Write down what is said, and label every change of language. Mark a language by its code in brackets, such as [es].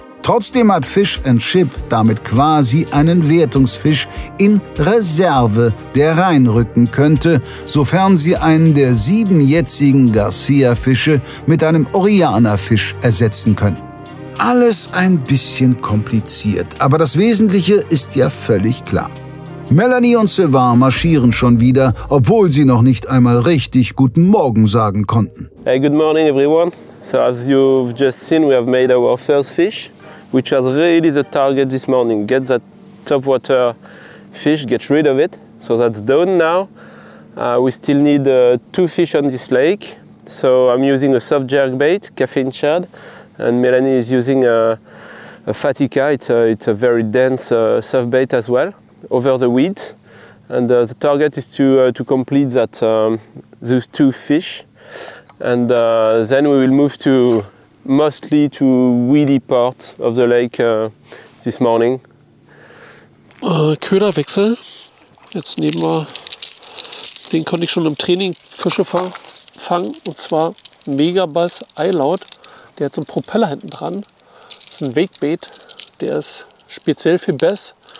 [de] Trotzdem hat Fish&Ship damit quasi einen Wertungsfisch in Reserve, der reinrücken könnte, sofern sie einen der 7 jetzigen Garcia-Fische mit einem Orellana-Fisch ersetzen können. Alles ein bisschen kompliziert, aber das Wesentliche ist ja völlig klar. Melanie und Sylvain marschieren schon wieder, obwohl sie noch nicht einmal richtig guten Morgen sagen konnten. [en] Hey, good morning everyone. So as you've just seen, we have made our first fish, which was really the target this morning. Get that topwater fish, get rid of it. So that's done now. We still need 2 fish on this lake. So I'm using a soft jerk bait, caffeine shad, and Melanie is using a fatica. It's a very dense soft bait as well, over the weeds. And the target is to complete that those 2 fish. And then we will move to mostly to weedy parts of the lake this morning. [de] Köderwechsel. Jetzt nehmen wir, den konnte ich schon im Training Fische fangen, und zwar Megabass Eilaut. Der hat so einen Propeller hinten dran. Das ist ein Wakebait. Der ist speziell für Bass.